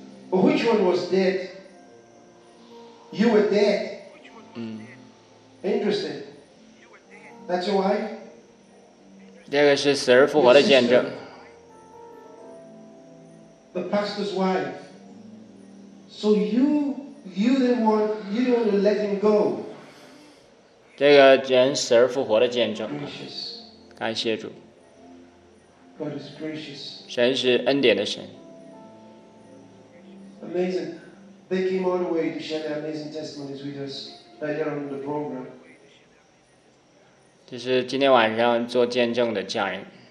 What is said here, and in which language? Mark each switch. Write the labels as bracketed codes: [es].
[en] But which one was dead? You were dead. Interesting. That's your wife. [zh] 这个是死而复活的见证。 [en] The pastor's wife. So you didn't want, you didn't want to let him go. [zh] 这个人死而复活的见证。 [en] Gracious. [zh] 感谢主。 [en] God is gracious. [zh] 神是恩典的神。 [en] Amazing. They came all the way to share their amazing testimonies with us later on the program. [zh] 这是今天晚上做见证的家人。